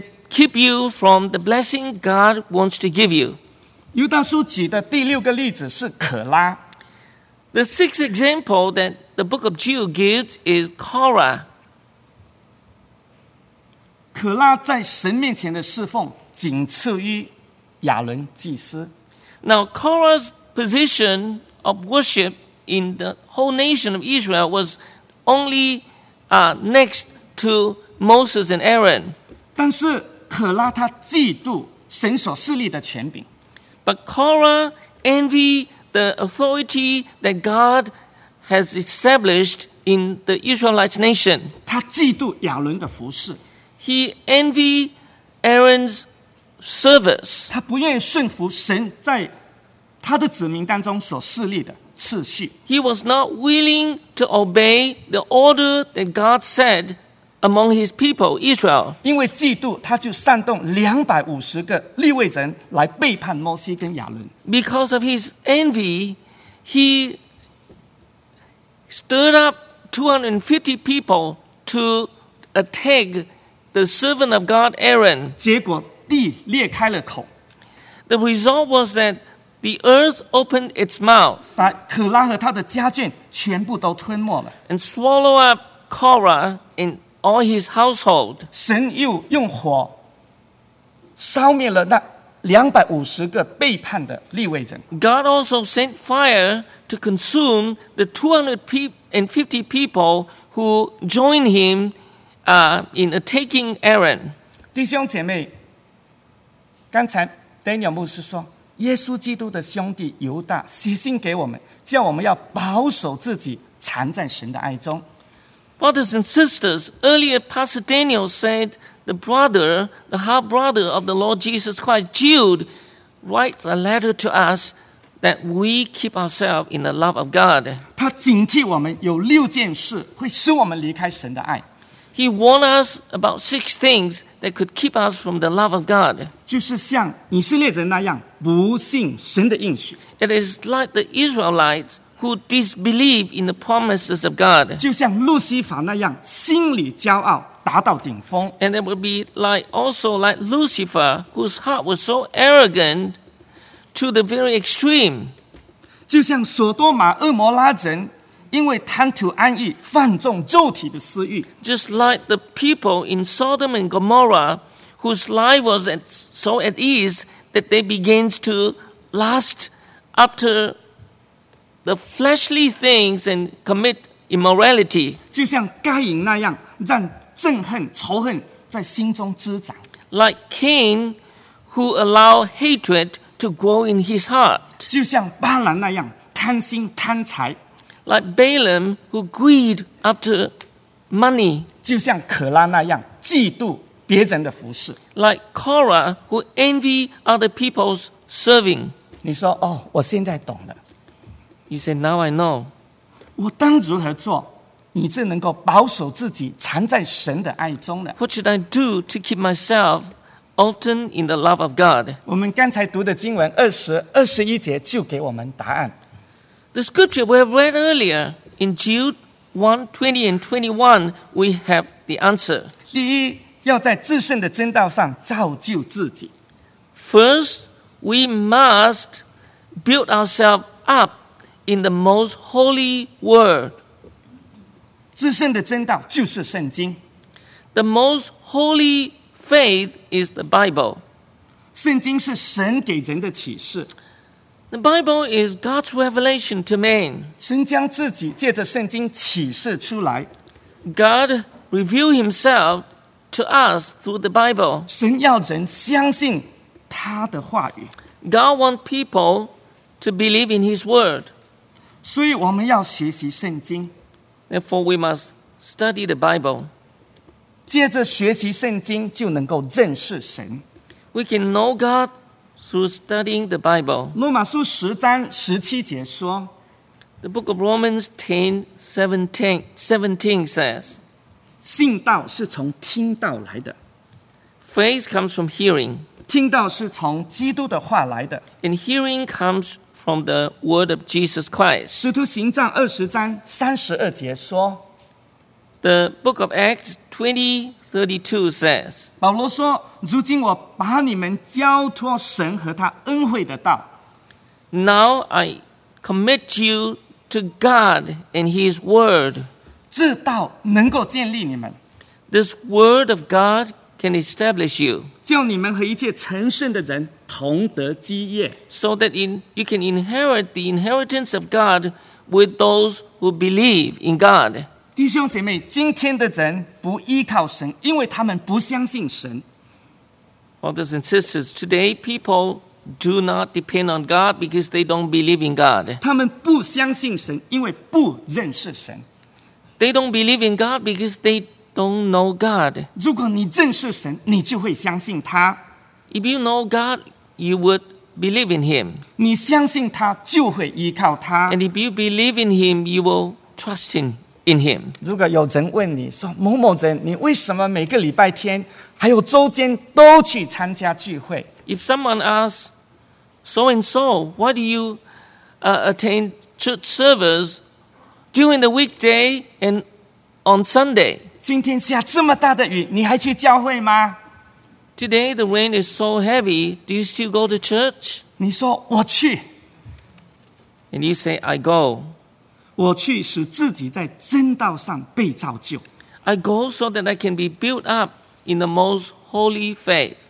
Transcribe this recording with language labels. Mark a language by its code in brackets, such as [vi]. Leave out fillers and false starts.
[en] Keep you from the blessing God wants to give you. [zh] 犹大书举的第六个例子是可拉。 [en] The sixth example that the book of Jude gives is Kora. [zh] 可拉在神面前的侍奉仅次于亚伦祭司。 [en] Now, Kora's position of worship in the whole nation of Israel was only next to Moses and Aaron. [zh] 但是可拉他嫉妒神所赐立的权柄 [en] ，But Korah envied the authority that God has established in the Israelite nation. [zh] 他嫉妒亚伦的服事 [en] ，He envied Aaron's service. [zh] 他不愿顺服神在他的子民当中所赐立的次序。 [en] He was not willing to obey the order that God said. Among his people, Israel. [zh] 因为嫉妒，他就煽动250个利未人来背叛摩西跟亚伦。 [en] Because of his envy, he stirred up 250 people to attack the servant of God, Aaron. [zh] 结果地裂开了口。 [en] The result was that The earth opened its mouth. [zh] 把可拉和他的家眷全部都吞没了。 [en] And swallow up Korah and all his household. [zh] 神又用火烧灭了那250个背叛的利未人。 [en] God also sent fire to consume the 250 people who joined him in attacking Aaron. [zh] 弟兄姐妹，刚才 Daniel 牧师说，耶稣基督的兄弟犹大写信给我们，叫我们要保守自己，藏在神的爱中。 [en] Brothers and sisters, earlier Pastor Daniel said the brother, the half brother of the Lord Jesus Christ, Jude, writes a letter to us that we keep ourselves in the love of God. [zh] 他警惕我们有六件事会使我们离开神的爱。 [en] He warned us about six things that could keep us from the love of God. [zh] 就是像以色列人那样不信神的应许。 [en] It is like the Israelites who disbelieve in the promises of God. [zh] 就像路西法那样心里骄傲达到顶峰。 [en] And it would be like Lucifer, whose heart was so arrogant to the very extreme. [zh] 就像索多玛、厄摩拉人因为贪图安逸放纵肉体的私欲。 [en] Just like the people in Sodom and Gomorrah whose life was so at ease that they began to lust after the fleshly things and commit immorality. [zh] 就像该隐那样让憎恨仇恨在心中滋长。 [en] Like Cain who allowed hatred to grow in his heart. [zh] 就像巴兰那样贪心贪财。 [en] Like Balaam who greed after money. [zh] 就像可拉那样嫉妒别人的服侍。 [en] Like Korah who envy other people's serving. [zh] 你说哦，我现在懂了。 [en] You say now I know. [zh] 我当如何做，你就能够保守自己藏在神的爱中呢？ [en] What should I do to keep myself often in the love of God? [zh] 我们刚才读的经文20-21节就给我们答案。 [en] The scripture we have read earlier in Jude 1:20 and 21, we have the answer. [zh] 第一，要在至圣的真道上造就自己。 [en] First, we must build ourselves up in the most holy word. [zh] 至圣的真道就是圣经。 [en] The most holy faith is the Bible. [zh] 圣经是神给人的启示。 [en] The Bible is God's revelation to man. [zh] 神将自己借着圣经启示出来。 [en] God revealed himself to us through the Bible. [zh] 神要人相信他的话语。 [en] God wants people to believe in his word. [zh] 所以我们要学习圣经。 [en] Therefore we must study the Bible. [zh] 借着学习圣经就能够认识神。 [en] We can know God through studying the Bible. [zh] 罗马书十章十七节说， [en] The book of Romans 10:17 says, [zh] 信道是从听道来的。 [en] Faith comes from hearing. [zh] 听道是从基督的话来的。 [en] And hearing comes from the word of Jesus Christ. [zh] 使徒行传20:32说， [en] The book of Acts 20:32 says, [zh] 保罗说，如今我把你们交托神和他恩惠的道。 [en] Now I commit you to God and his word. [zh] 这道能够建立你们。 [en] This word of God can establish you. [zh] 叫你们和一切成圣的人同得基业。 [en] So that you can inherit the inheritance of God with those who believe in God. [zh] 弟兄姐妹，今天的人不依靠神，因为他们不相信神。 [en] Brothers and sisters, today people do not depend on God because they don't believe in God. [zh] 他们不相信神，因为不认识神。 [en] They don't believe in God because they don't know God. [zh] 如果你认识神，你就会相信他。 [en] If you know God, you would believe in him. [zh] 你相信他，就会依靠他。 [en] And if you believe in him, you will trust in him. [zh] 如果有人问你说，某某人，你为什么每个礼拜天还有周间都去参加聚会。 [en] If someone asks, so and so, why do you attend church service during the weekday and on Sunday? [zh] 今天下这么大的雨，你还去教会吗？ [en] Today the rain is so heavy. Do you still go to church? [zh] 你说我去。 [en] And you say I go. [zh] 我去使自己在真道上被造就。 [en] I go so that I can be built up in the most holy faith.